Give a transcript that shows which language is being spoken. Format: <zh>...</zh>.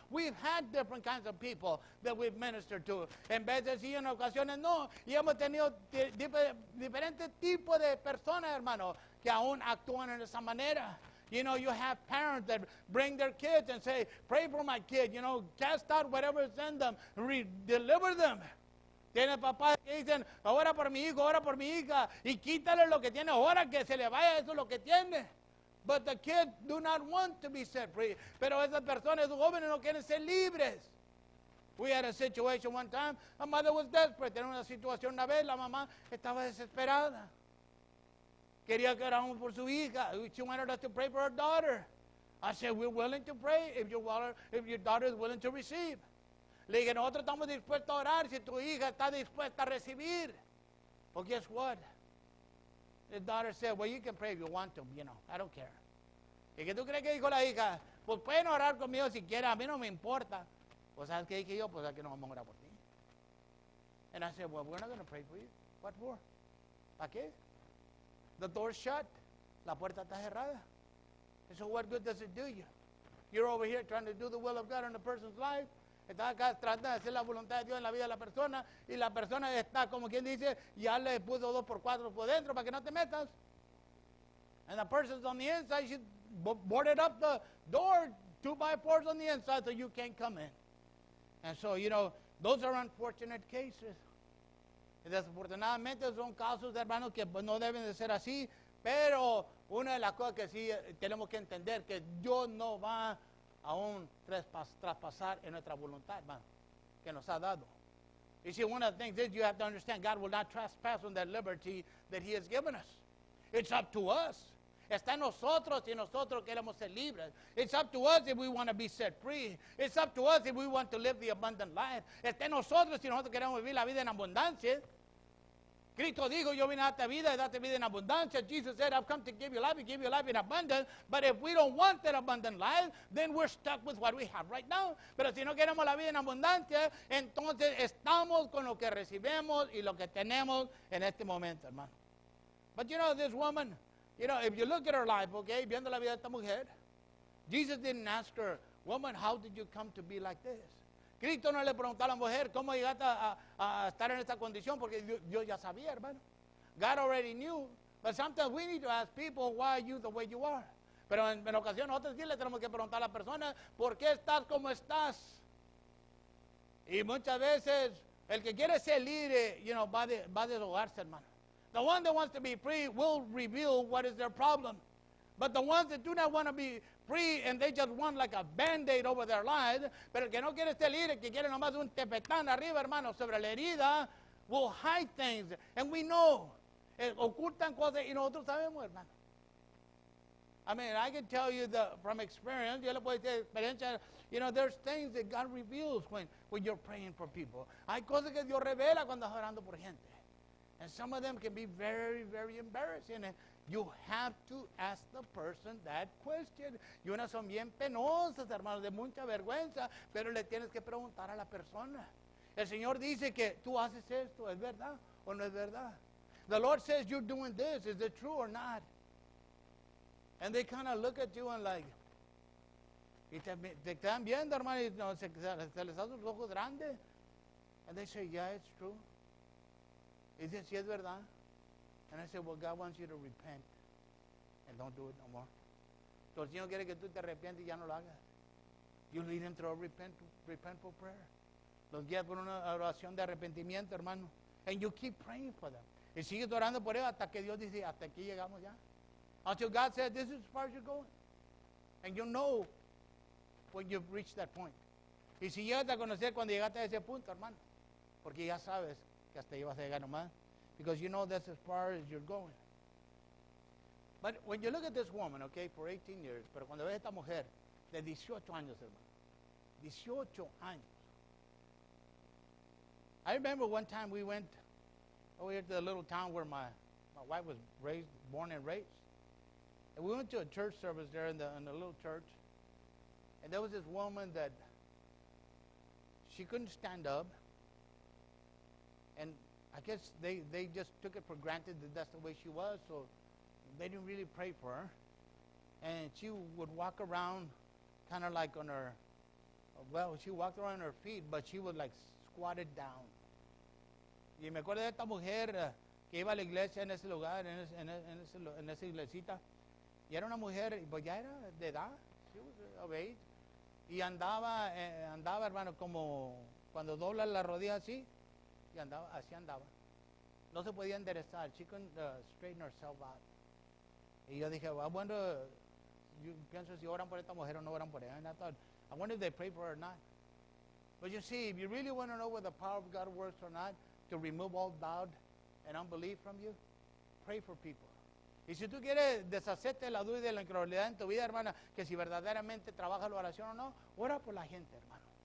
<en>We've had different kinds of people that we've ministered to.</en> <es>En veces sí, en ocasiones no. Y hemos tenido diferentes tipos de personas, hermano, que aún actúan en esa manera.</es> <en>You know, you have parents that bring their kids and say, pray for my kid, you know, cast out whatever is in them, deliver them.</en> <es>Tiene papás que dicen, ora por mi hijo, ora por mi hija, y quítale lo que tiene, ora que se le vaya eso lo que tiene.</es> <en>But the kids do not want to be set free.</en> <es>Pero esas personas, esos jóvenes no quieren ser libres.</es> <en>We had a situation one time. A mother was desperate.</en> <es>Tenía una situación una vez. La mamá estaba desesperada. Quería que oráramos por su hija.</es> <en>She wanted us to pray for her daughter. I said, we're willing to pray if your daughter is willing to receive.</en> <es>Le dije, nosotros estamos dispuestos a orar si tu hija está dispuesta a recibir.</es> <en>But guess what? The daughter said, well, you can pray if you want to, you know, I don't care.</en> <es>¿Y qué tú crees que dijo la hija? Pues pueden orar conmigo si quieren, a mí no me importa. Pues ¿sabes qué dije yo? Pues aquí no vamos a orar por ti.</es> <en>And I said, well, we're not going to pray for you. What for?</en> <es>¿Para qué?</es> <en>The door's shut.</en> <es>La puerta está cerrada.</es> <en>And so what good does it do you? You're over here trying to do the will of God in a person's life.</en> <es>Está acá tratando de hacer la voluntad de Dios en la vida de la persona y la persona está como quien dice ya le puso dos por cuatro por dentro para que no te metas.</es> <en>And the person's on the inside, she boarded up the door 2x4s on the inside so you can't come in. And so, you know, those are unfortunate cases.</en> <es>Y desafortunadamente son casos, hermanos, que no deben de ser así, pero una de las cosas que sí tenemos que entender que Dios no va aún traspasar en nuestra voluntad, hermano, que nos ha dado.</es> <en>You see, one of the things is you have to understand God will not trespass on that liberty that he has given us. It's up to us.</en> <es>Está en nosotros y nosotros queremos ser libres.</es> <en>It's up to us if we want to be set free. It's up to us if we want to live the abundant life.</en> <es>Está en nosotros si nosotros queremos vivir la vida en abundancia. Cristo dijo, yo vine a darte vida y darte vida en abundancia.</es> <en>Jesus said, I've come to give you life and give you life in abundance. But if we don't want that abundant life, then we're stuck with what we have right now.</en> <es>Pero si no queremos la vida en abundancia, entonces estamos con lo que recibimos y lo que tenemos en este momento, hermano.</es> <en>But you know, this woman, you know, if you look at her life, okay,</en> <es>viendo la vida de esta mujer,</es> <en>Jesus didn't ask her, woman, how did you come to be like this?</en> <es>Cristo no le preguntó a la mujer cómo llegaste a estar en esta condición porque Dios ya sabía, hermano.</es> <en>God already knew. But sometimes we need to ask people, why are you the way you are?</en> <es>Pero en ocasiones nosotros sí le tenemos que preguntar a la persona, ¿por qué estás como estás? Y muchas veces el que quiere ser libre, you know, va a deshogarse, hermano.</es> <en>The one that wants to be free will reveal what is their problem. But the ones that do not want to be free and they just want like a band-aid over their lives,</en> <es>pero el que no quiere ser libre, que quiere nomás un tepetán arriba, hermano, sobre la herida,</es> <en>will hide things. And we know.</en> <es>Ocultan cosas y nosotros sabemos, hermano.</es> <en>I mean, I can tell you from experience,</en> <es>yo le puedo decir experiencia,</es> <en>you know, there's things that God reveals when you're praying for people.</en> <es>Hay cosas que Dios revela cuando estás orando por gente.</es> <en>And some of them can be very, very embarrassing. You have to ask the person that question.</en> <es>Y unas son bien penosas, hermanos, de mucha vergüenza, pero le tienes que preguntar a la persona. El Señor dice que tú haces esto, ¿es verdad o no es verdad?</es> <en>The Lord says, you're doing this. Is it true or not? And they kind of look at you and like,</en> <es>y te están viendo, hermano, y no, se les hacen los ojos grandes.</es> <en>And they say, yeah, it's true.</en> <es>Y dice, sí, es verdad.</es> <en>And I said, well, God wants you to repent and don't do it no more.</en> <es>So el Señor quiere que tú te arrepientes y ya no lo hagas.</es> <en>You lead him through a repentful prayer.</en> <es>Los guías por una oración de arrepentimiento, hermano.</es> <en>And you keep praying for them.</en> <es>Y sigues orando por ellos hasta que Dios dice, hasta aquí llegamos ya.</es> <en>Until God says, this is as far as you're going. And you know when you've reached that point.</en> <es>Y si llegas a conocer cuando llegaste a ese punto, hermano. Porque ya sabes que hasta ahí vas a llegar nomás.</es> <en>Because you know that's as far as you're going. But when you look at this woman, okay, for 18 years,</en> <es>pero cuando ves esta mujer de 18 años, hermano, 18 años.</es> <en>I remember one time we went over here to the little town where my wife was raised, born and raised. And we went to a church service there in the little church. And there was this woman that she couldn't stand up. And I guess they just took it for granted that that's the way she was, so they didn't really pray for her. And she would walk around kind of like on her, well, she walked around on her feet, but she was like squatted down.</en> <es>Y me acuerdo de esta mujer que iba a la iglesia en ese lugar, en esa iglesita. Y era una mujer, pues ya era de edad,</es> <en>she was of age.</en> <es>Y andaba, hermano, como cuando dobla la rodilla así. Y andaba, así andaba. No se podía enderezar.</es> <en>She couldn't straighten herself out.</en> <es>Y yo dije,</es> <en>well, I wonder, you</en> <es>pienso si oran por esta mujer o no oran por ella.</es> <en>And I thought, I wonder if they pray for her or not. But you see, if you really want to know whether the power of God works or not, to remove all doubt and unbelief from you, pray for people.</en> <es>Y si tú quieres deshacerte de la duda y de la incredulidad en tu vida, hermana, que si verdaderamente trabajas la oración o no, ora por la gente, hermano.</es>